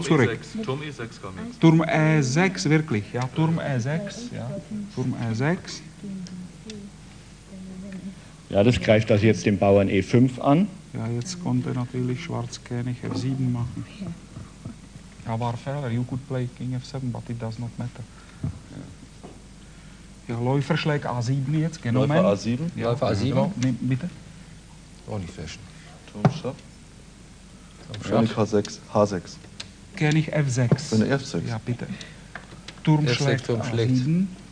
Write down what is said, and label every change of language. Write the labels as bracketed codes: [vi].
[de] Turm zurück. E6. Turm E6 kam jetzt. Turm E6, wirklich. Ja, Turm E6. Ja. Turm E6. Ja, das greift also jetzt den Bauern E5 an. Ja, jetzt konnte natürlich Schwarz König F7 machen. Ja, war Fehler. [en] You could play King F7, but it does not matter. [de] Ja, Läufer schlägt A7 jetzt, genommen. Läufer A7? Ja, Läufer A7. Nee, bitte. Oh, nicht fischen. Turm Schach. König H6. König F6. König F6. Ja, bitte. Turm schlägt A7.